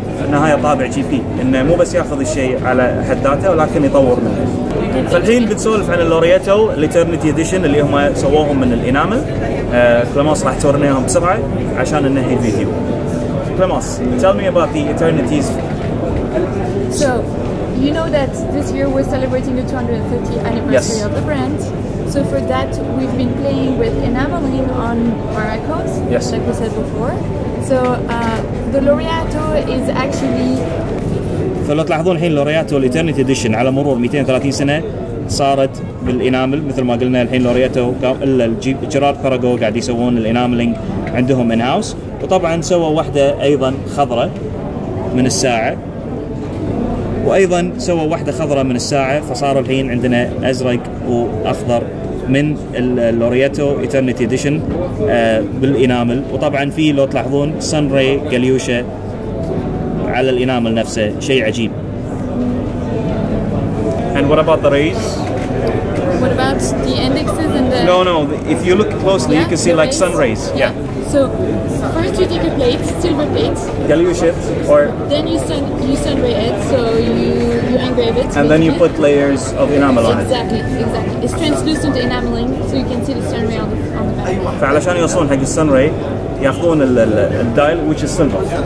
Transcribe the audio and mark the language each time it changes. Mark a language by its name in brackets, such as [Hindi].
[Arabic] نهايه طابع جي بي انه مو بس ياخذ الشيء على حد ذاته ولكن يطور منه فالحين بنسولف عن اللورياتو الليترنيتي اديشن اللي هم سووهم من الانامل كلموس راح تورنيهم بسرعة عشان ننهي الفيديو كلموس, [English] tell me about the eternities. So, you know that this year we're celebrating the 230th anniversary, yes, of the brand. So for that, we've been playing with enameling on our icons, yes, like we said before. So, the Laureato is actually... [Arabic] فلو تلاحظون الحين لورياتو الإترنيتي إديشن على مرور 230 سنة صارت بالإنامل مثل ما قلنا الحين لورياتو إلا جيرارد بيريغوه قاعد يسوون الإناملينج عندهم إن هاوس وطبعا سوى واحدة أيضا خضرة من الساعة وأيضا سوى واحدة خضرة من الساعة فصار الحين عندنا أزرق وأخضر من اللورياتو إترنيتي إديشن بالإنامل وطبعا فيه لو تلاحظون سن ري جاليوشا على الإنامل نفسه شيء عجيب. [English] And what about the rays? What about the indexes and the... No, if you look closely, yeah, you can see like sun rays. Yeah. So first you take a plate, silver plate. Galileo shaped, or then you sunray it, so you engrave it. And then you put layers of enamel on it. Exactly. It's translucent enameling, so you can see the sunray on the back. [Arabic] فعلشان يوصلون حق السنري يأخذون الدايل [English] which is silver.